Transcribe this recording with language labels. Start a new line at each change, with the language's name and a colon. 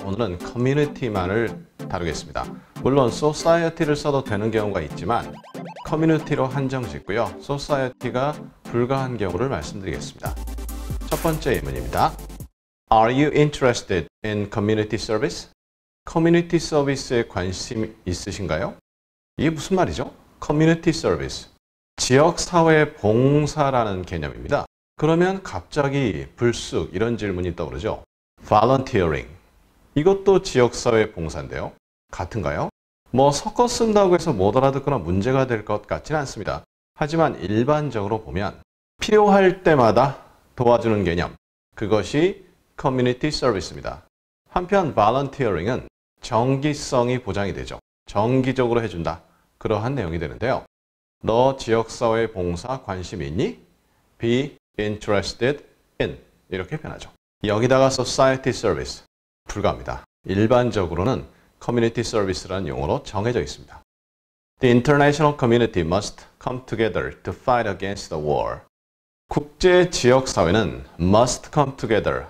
Korean: 오늘은 커뮤니티만을 다루겠습니다. 물론 society를 써도 되는 경우가 있지만 커뮤니티로 한정짓고요. society가 불가한 경우를 말씀드리겠습니다. 첫 번째 예문입니다.
English: Are you interested in community service?
Korean: 커뮤니티 서비스에 관심 있으신가요? 이게 무슨 말이죠? Community service, 지역사회 봉사라는 개념입니다. 그러면 갑자기 불쑥 이런 질문이 떠오르죠. Volunteering, 이것도 지역사회 봉사인데요. 같은가요? 뭐 섞어 쓴다고 해서 못 알아듣거나 문제가 될 것 같지는 않습니다. 하지만 일반적으로 보면 필요할 때마다 도와주는 개념, 그것이 Community service입니다. 한편 Volunteering은 정기성이 보장이 되죠. 정기적으로 해준다. 그러한 내용이 되는데요. 너 지역사회 봉사 관심 있니? Be interested in. 이렇게 변하죠. 여기다가 society service. 불가합니다. 일반적으로는 community service라는 용어로 정해져 있습니다.
English: The international community must come together to fight against the war.
Korean: 국제 지역사회는
English: must come together.